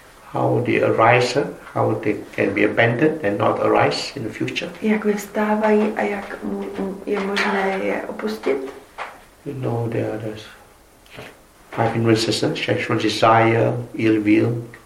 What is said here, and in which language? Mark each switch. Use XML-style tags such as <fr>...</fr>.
<en>How they arise, how they can be abandoned and not arise in the future.</en> <cs>Jak vyvstávají a jak je možné je opustit?</cs> <en>You know there are those five hindrances, sexual desire, ill will.</en>